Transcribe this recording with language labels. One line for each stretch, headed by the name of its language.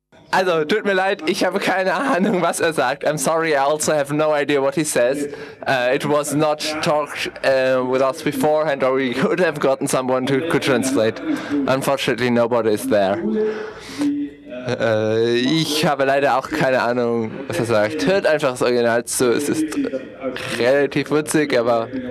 German: Also, tut mir leid, ich habe keine Ahnung, was er sagt.
English: I'm sorry, I also have no idea what he says. It was not talked with us beforehand, or we could have gotten someone who could translate. Unfortunately, nobody is there.
German: Ich habe leider auch keine Ahnung, was er sagt. Hört einfach das Original zu, es ist relativ witzig, aber...